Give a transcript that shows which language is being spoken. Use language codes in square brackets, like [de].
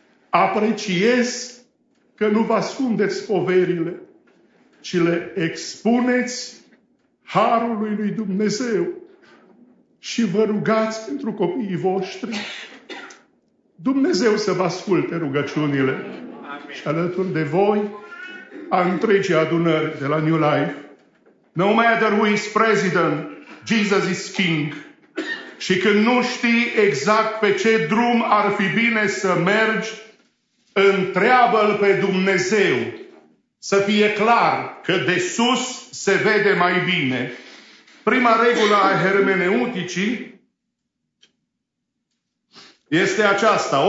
[ro] Apreciez că nu vă ascundeți poverile, ci le expuneți harului lui Dumnezeu și vă rugați pentru copiii voștri. Dumnezeu să vă asculte rugăciunile. Amin. Și alături de voi a întregii adunări de la New Life. [en] No matter who is president, Jesus is king. [ro] Și când nu știi exact pe ce drum ar fi bine să mergi, întreabă-L pe Dumnezeu să fie clar că de sus se vede mai bine. Prima regulă a hermeneuticii este aceasta.